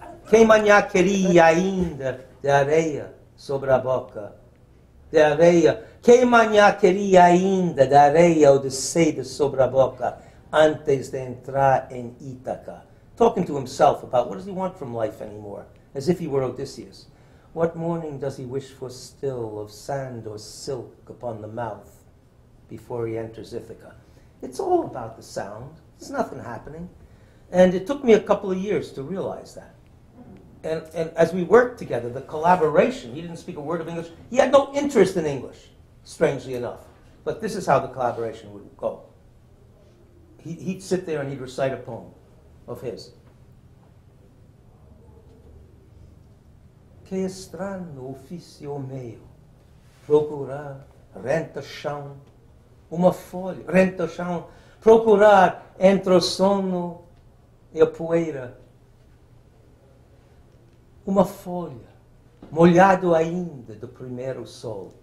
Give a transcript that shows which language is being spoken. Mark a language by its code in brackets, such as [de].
[pt] Que manhã queria ainda de areia sobre a boca. De areia. Que manhã queria ainda de areia ou de sede sobre a boca antes de entrar em Ítaca. [en] Talking to himself about what does he want from life anymore, as if he were Odysseus. What morning does he wish for still of sand or silk upon the mouth before he enters Ithaca? It's all about the sound. There's nothing happening. And it took me a couple of years to realize that. And as we worked together, the collaboration, he didn't speak a word of English. He had no interest in English, strangely enough. But this is how the collaboration would go. He'd sit there and he'd recite a poem of his. [pt] Que estranho ofício meu, procurar renta-chão, uma folha, renta-chão, procurar entre o sono e a poeira, uma folha, molhado ainda do primeiro sol.